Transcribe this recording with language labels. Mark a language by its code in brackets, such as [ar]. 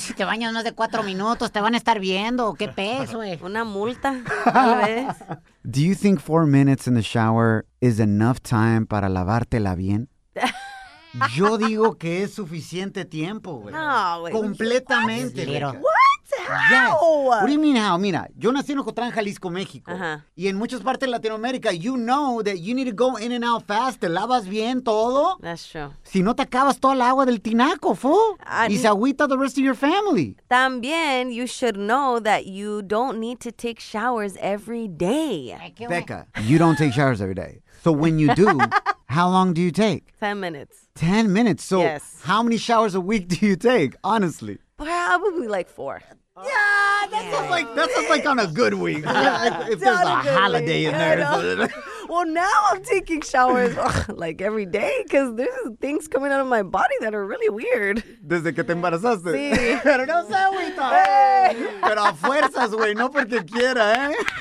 [es] Si te bañas más de 4 minutos, te van a estar viendo. ¿Qué peso, güey? Una multa, tal vez. [en] Do you think 4 minutes in the shower is enough time [es] para lavártela bien? Yo digo que es suficiente tiempo, güey. No, güey. Completamente. [en] What? How? Yes. What do you mean how? [es] Mira, yo nací en Ocotlán, Jalisco, México. Uh-huh. Y en muchas partes de Latinoamérica, [en] you know that you need to go in and out fast. [es] Te lavas bien todo. [en] That's true. [es] Si no, te acabas toda el agua del tinaco, fool. Y se agüita [en] the rest of your family. También, you should know that you don't need to take showers every day. Becca, you don't take showers every day. So when you do, how long do you take? 10 minutes. 10 minutes. So yes. How many showers a week do you take, honestly? Probably like 4. Yeah, that's just like on a good week. If there's a holiday week in there. Well, now I'm taking showers like every day because there's things coming out of my body that are really weird. [es] Desde que te embarazaste. Sí. Pero no sé, güita. Pero a fuerzas, güey, no porque quiera, ¿eh?